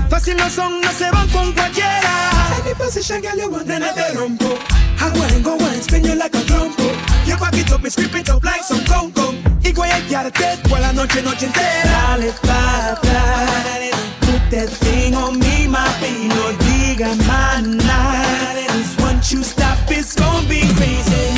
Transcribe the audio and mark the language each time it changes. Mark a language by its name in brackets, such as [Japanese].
[Spanish] Fácil no son, no se van con cualquiera. [English] Any position, girl, you want, then I [Spanish] te rompo. [English] I wanna go and spin you like a trompo. Your pocket up, me scraping up like some con-con. [Spanish] Y guayetearte, toda la noche, noche entera. Dale pa' atrás, tu testigo, mi mami, no diga más nada. [English] Cause once you stop, it's gonna be crazy.